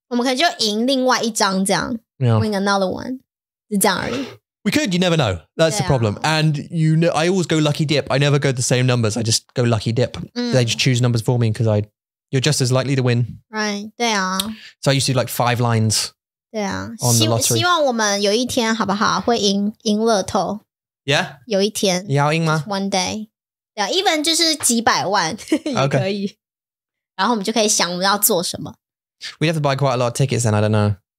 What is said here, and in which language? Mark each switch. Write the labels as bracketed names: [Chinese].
[English] We can just win another one. [Chinese] 是这样而已。 [English] We could, you never know. That's the problem. And you know, I always go lucky dip. I never go the same numbers. I just go lucky dip. Mm. They just choose numbers for me because you're just as likely to win. Right. So I used to do like 5 lines. Yeah. On the lottery. [Chinese] 希望我们有一天好不好会赢乐透。 [English] Yeah? [Chinese] 有一天, 你要赢吗? [English] One day. Yeah, even [Chinese] 就是几百万也可以。 [English] Okay. [Chinese] 然后我们就可以想我们要做什么。 [English] We'd have to buy quite a lot of tickets then, I don't know.